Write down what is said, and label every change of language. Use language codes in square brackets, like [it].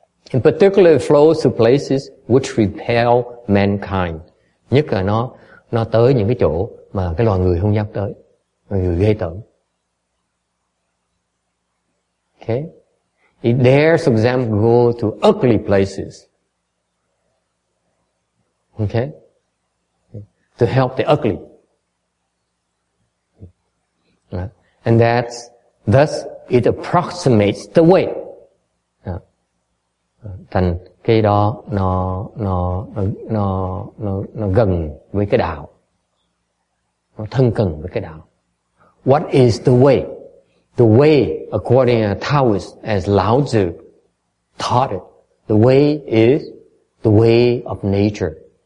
[en] In particular it flows to places which repel mankind. [vi] Nhất là nó tới những cái chỗ mà cái loài người không dám tới, người ghê tởm. [en] Okay. It dares, for example, go to ugly places. Okay? To help the ugly. And thus it approximates the way. [vi] Thành cái đó nó gần với cái đạo. nó thân cận với cái đạo. [en] What is the way? The way, according to Taoist, as Lao Tzu taught it, the way is the way of nature.